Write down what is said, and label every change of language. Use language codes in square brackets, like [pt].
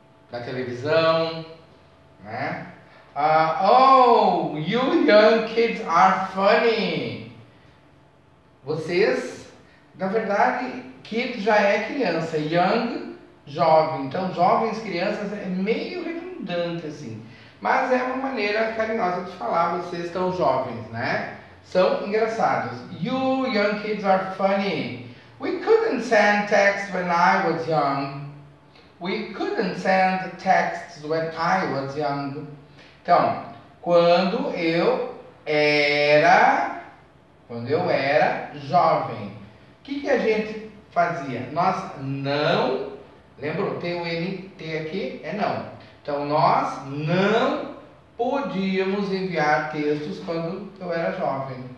[pt] Da televisão, né? [en] You young kids are funny. [pt] Vocês, na verdade, kid já é criança. Young, jovem. Então, jovens, crianças, é meio redundante, assim. Mas é uma maneira carinhosa de falar, vocês estão jovens, né? São engraçados. [en] You young kids are funny. We couldn't send texts when I was young. We couldn't send texts when I was young. [pt] Então, quando eu era, jovem, o que, que a gente fazia? Nós não, lembra, tem o NT aqui, é não. Então, nós não podíamos enviar textos quando eu era jovem.